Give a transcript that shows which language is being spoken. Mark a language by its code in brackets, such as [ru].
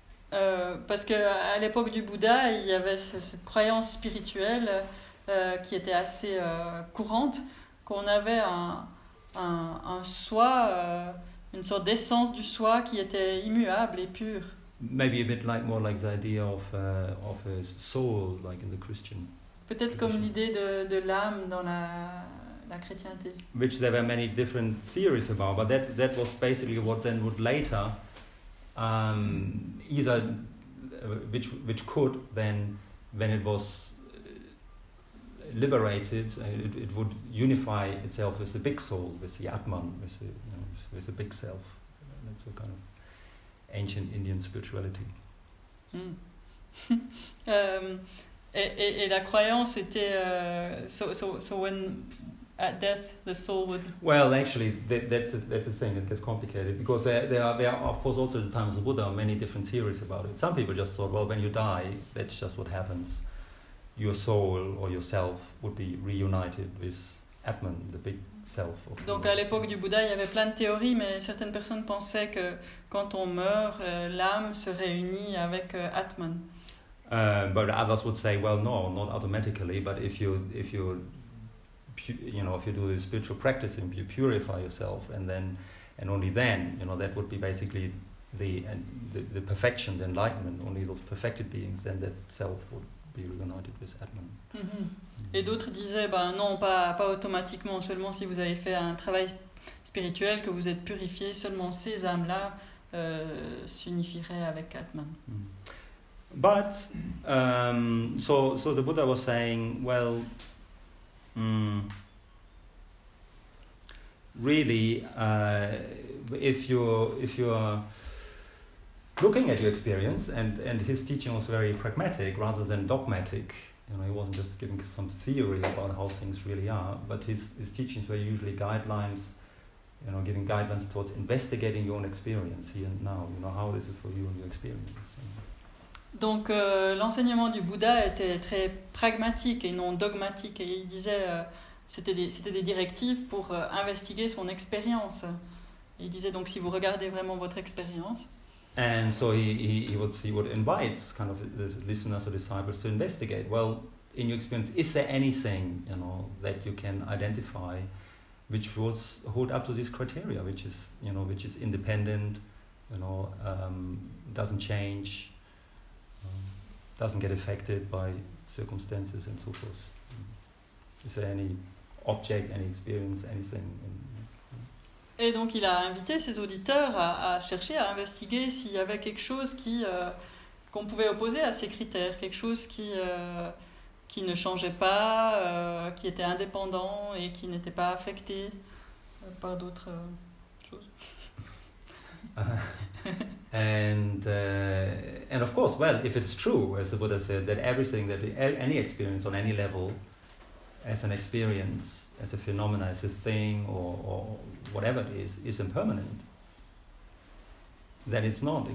[fr] Parce que à l'époque du Bouddha, il y avait cette croyance spirituelle qui était assez courante, qu'on avait un soi, une sorte d'essence du soi qui était immuable et pure. [en] Maybe a bit like more like the idea of a soul, like in the Christian. [fr] Peut-être [en] tradition. [fr] Comme l'idée de l'âme dans la chrétienté. [en] Which there were many different theories about, but that was basically what then would later, either which could then, when it was liberated, it would unify itself with the big soul, with the Atman, with the, you know, with the big self. So that's a kind of ancient Indian spirituality. Mm. [fr] Et la croyance était [en] so when at death the soul would. Well, actually, that's the thing. It gets complicated because there are of course also the times of Buddha many different theories about it. Some people just thought, well, when you die, that's just what happens. Your soul or yourself would be reunited with Atman, the big self. [fr] Donc à l'époque du Bouddha, il y avait plein de théories, mais certaines personnes pensaient que quand on meurt, l'âme se réunit avec Atman. [en] But others would say, well, no, not automatically. But if you do the spiritual practice and you purify yourself, and only then, that would be basically the perfection, the enlightenment. Only those perfected beings, then that self would be reunited with Atman. Mm-hmm. Mm-hmm. [fr] Et d'autres disaient, pas automatiquement, seulement si vous avez fait un travail spirituel, que vous êtes purifié, seulement ces âmes-là s'unifieraient avec Atman. Mm-hmm. [en] But so the Buddha was saying, well, really, if you are looking at your experience, and his teaching was very pragmatic rather than dogmatic. You know, he wasn't just giving some theory about how things really are, but his teachings were usually guidelines. You know, giving guidelines towards investigating your own experience here and now. You know, how is it for you and your experience? You know. [fr] Donc l'enseignement du Bouddha était très pragmatique et non dogmatique, et il disait c'était des directives pour investiguer son expérience. Il disait donc, si vous regardez vraiment votre expérience. [en] And so he would invite kind of the listeners or disciples to investigate. Well, in your experience, is there anything, you know, that you can identify which would hold up to this criteria, which is independent, you know, doesn't change, doesn't get affected by circumstances and so forth. Is there any object, any experience, anything? [fr] Et donc il a invité ses auditeurs à chercher, à investiguer s'il y avait quelque chose qu'on pouvait opposer à ces critères, quelque chose qui ne changeait pas, qui était indépendant et qui n'était pas affecté par d'autres choses. [en] And of course, well, if it's true, as the Buddha said, that everything, that any experience on any level, as an experience, as a phenomenon, as a thing, or whatever it is impermanent, then it's not.